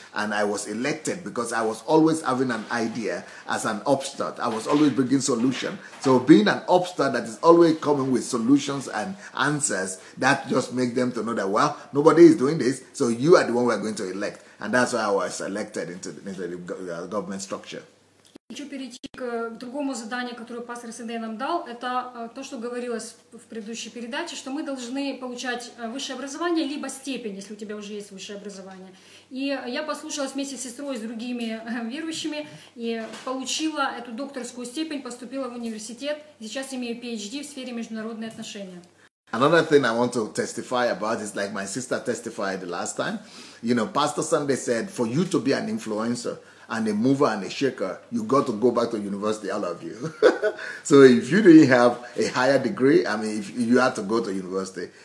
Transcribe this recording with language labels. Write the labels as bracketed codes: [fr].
[en] And I was elected because I was always having an idea as an upstart. I was always bringing solution. So being an upstart that is always coming with solutions and answers, that just makes them to know that, well, nobody is doing this, so you are the one we are going to elect. And that's why I was elected into the government structure. [ru] Хочу перейти к другому заданию, которое пастор Сэндэй нам дал. Это то, что говорилось в предыдущей передаче, что мы должны получать высшее образование, либо степень, если у тебя уже есть высшее образование. И я послушалась вместе с сестрой, с другими верующими, и получила эту докторскую степень, поступила в университет. Сейчас имею PhD в сфере международных отношений. [en] Another thing I want to testify about is, like my sister testified the last time, you know, Pastor Sunday said, for you to be an influencer, and a mover and a shaker, you got to go back to university, all of you. So if you didn't have a higher degree, if you have to go to university.